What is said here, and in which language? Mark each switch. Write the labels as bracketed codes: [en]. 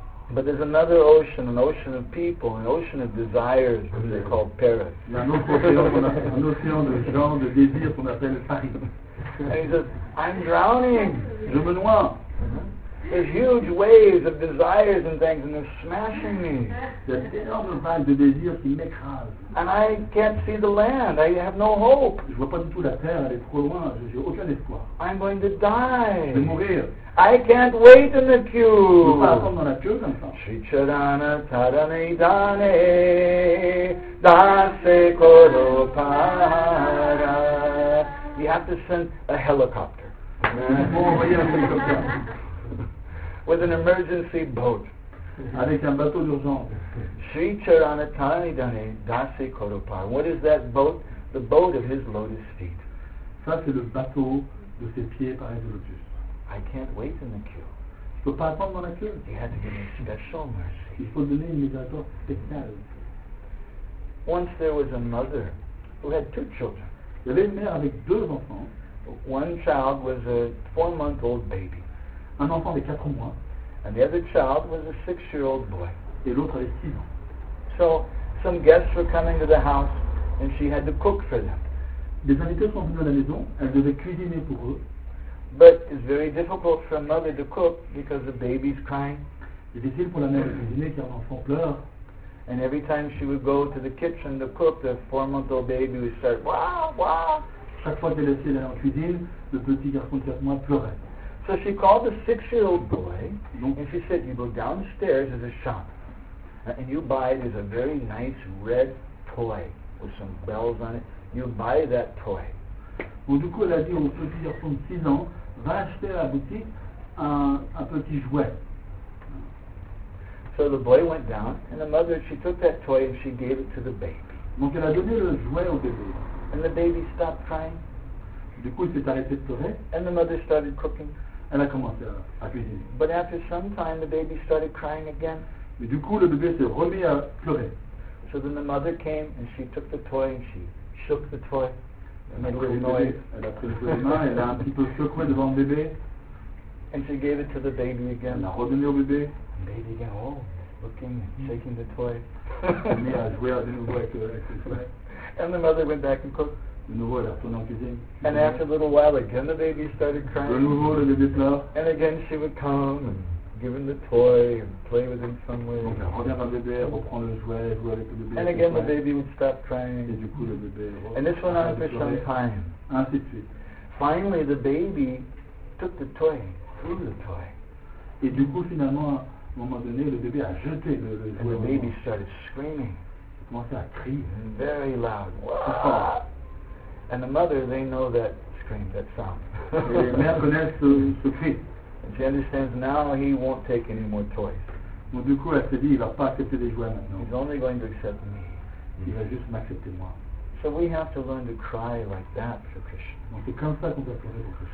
[en] But there's another ocean, an ocean of people, an ocean of desires, which they call Paris. An ocean [fr] de gens, de désirs qu'on appelle Paris. [en] And he says, I'm drowning. [fr] Je me noie. Mm-hmm. [en] There's huge waves of desires and things, and they're smashing me. And I can't see the land. I have no hope. [fr] Je vois pas du tout la terre, elle est trop loin. J'ai aucun espoir. [en] I'm going to die. [fr] Je vais mourir. [en] I can't wait in the queue. [fr] Je peux pas attendre dans la queue comme ça. [bn] Shri Charana Tarane Dane Dase Koro Para. [en] You have to send a helicopter. With an emergency boat. [fr] Avec un bateau d'urgence. [bn] Sri Charanatani Dane Dase Koropar. [en] What is that boat? The boat of his lotus feet. [fr] Ça, c'est le bateau de ses pieds par les lotus. [en] I can't wait in the queue. [fr] Je ne peux pas attendre dans la queue. [en] He had to give me special mercy. [fr] Il faut donner une miséricorde spéciale. [en] Once there was a mother who had two children. [fr] Il y avait une mère avec deux enfants. [en] One child was a 4-month-old baby. [fr] Un enfant de 4 mois. [en] And the other child was a 6-year-old boy. [fr] Et l'autre avait 6 ans. [en] So, some guests were coming to the house and she had to cook for them. [fr] Des invités sont venus à la maison, elle devait cuisiner pour eux. [en] But it's very difficult for a mother to cook because the baby's crying. [fr] C'est difficile pour la mère de cuisiner car l'enfant pleure. [en] And every time she would go to the kitchen to cook, the 4-month-old baby would start, wow, wow. [fr] Chaque fois qu'elle essayait d'aller en cuisine, le petit garçon de 4 mois pleurait. [en] So she called the 6-year-old boy, and she said, you go downstairs to the shop, and you buy, there's a very nice red toy with some bells on it. You buy that toy. [fr] Bon, du coup, elle a dit au petit garçon de 6 ans, va acheter à la boutique un petit jouet. [en] So the boy went down, and the mother, she took that toy and she gave it to the baby. [fr] Donc elle a donné le jouet au bébé. [en] And the baby stopped crying. [fr] Du coup, il s'est arrêté de pleurer. [en] And the mother started cooking. [fr] Elle a commencé à cuisiner. [en] But after some time, the baby started crying again. [fr] Mais du coup, le bébé s'est remis à pleurer. [en] So then the mother came and she took the toy and she shook the toy. [fr] Elle a pris le toy de main, elle a un petit peu secoué devant le bébé. [en] And she gave it to the baby again. [fr] Elle a redonné au bébé. [en] The baby again, oh, looking, shaking the toy. And the mother went back and cooked. [fr] De nouveau, elle a retourné en cuisine. [en] And after a little while, again the baby started crying. [fr] De nouveau, le bébé pleure. [en] And again she would come and give him the toy and play with him somewhere. [fr] Donc elle revient vers le bébé, reprend le jouet, joue avec le bébé. [en] And again the baby would stop crying. [fr] Et du coup, le bébé. [en] And this went on for some time. [fr] Ainsi de suite. [en] Finally, the baby took the toy, threw the toy. [fr] Et du coup, finalement, à un moment donné, le bébé a jeté le jouet. [en] And the baby started screaming. [fr] Il commençait à crier. [en] Very loud. Wow. And the mother, they know that scream, that sound. [fr] Les mères connaissent ce cri. [en] And she understands now he won't take any more toys. [fr] Donc du coup, elle s'est dit, il ne va pas accepter des jouets maintenant. [en] He's only going to accept me. [fr] Il va juste m'accepter moi. [en] So we have to learn to cry like that for Krishna. [fr] Donc c'est comme ça qu'on doit pleurer pour Krishna.